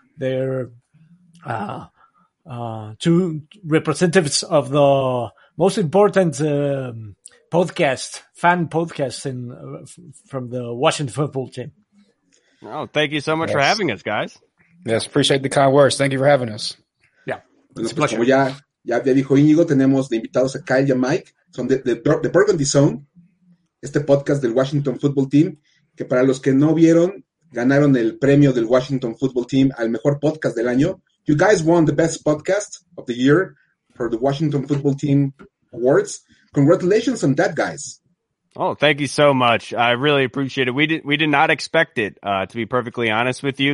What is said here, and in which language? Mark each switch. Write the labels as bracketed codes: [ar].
[en] They're two representatives of the most important fan podcast from the Washington Football Team. Oh, thank you so much for having us, guys. Yes, appreciate the kind words. Thank you for having us. Yeah, it's a pleasure. [es] Como ya dijo Íñigo, tenemos de invitados a Kyle y a Mike. Son de Burgundy Zone. Este podcast del Washington Football Team, que para los que no vieron, ganaron el premio del Washington Football Team al mejor podcast del año. [en] You guys won the best podcast of the year for the Washington Football Team Awards. Congratulations on that, guys. Oh, thank you so much. I really appreciate it. We did not expect it, to be perfectly honest with you.